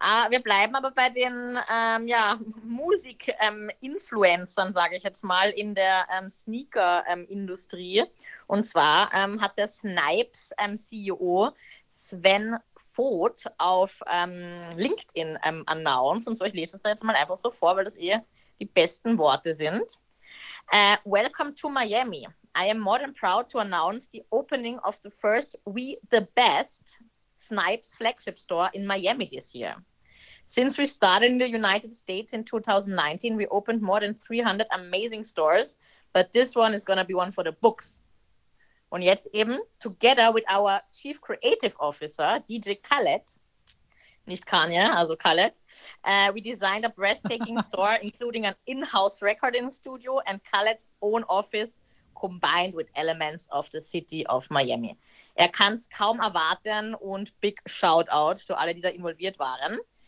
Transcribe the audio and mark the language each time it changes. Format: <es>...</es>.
<de>wir bleiben aber bei den Musik-Influencern, sage ich jetzt mal, in der Sneaker-Industrie. Und zwar hat der Snipes CEO Sven auf LinkedIn announced, und so, ich lese es da jetzt mal einfach so vor, weil das eher die besten Worte sind.</de> <en>Welcome to Miami. I am more than proud to announce the opening of the first We The Best Snipes flagship store in Miami this year. Since we started in the United States in 2019, we opened more than 300 amazing stores, but this one is gonna be one for the books.</en> <de>Und jetzt eben,</de> <en>together with our Chief Creative Officer, DJ Khaled,</en> <de>nicht Kanye, also Khaled,</de> <en>we designed a breathtaking store, including an in-house recording studio and Khaled's own office, combined with elements of the city of Miami.</en> <de>Er kann es kaum erwarten und</de> <en>big shout-out</en> <de>zu alle, die da involviert waren.</de>